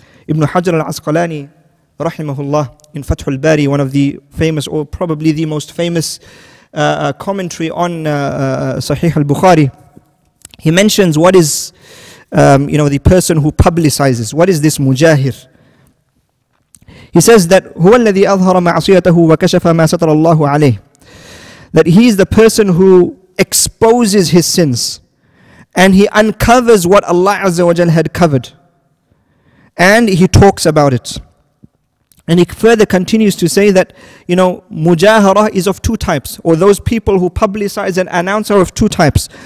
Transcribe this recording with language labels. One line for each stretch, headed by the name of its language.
English: Ibn Hajar al-Asqalani, rahimahullah, in Fathul al-Bari, one of the famous, or probably the most famous commentary on Sahih al-Bukhari, he mentions what is, the person who publicizes, what is this mujahir? He says that
Arabic: هو الذي أظهر معصيته وكشف ما ستر الله عليه.
English: That he is the person who exposes his sins, and he uncovers what Allah Azza wa Jalla had covered, and he talks about it. And he further continues to say that, you know, مجاهرة is of two types, or those people who publicize and announce are of two types.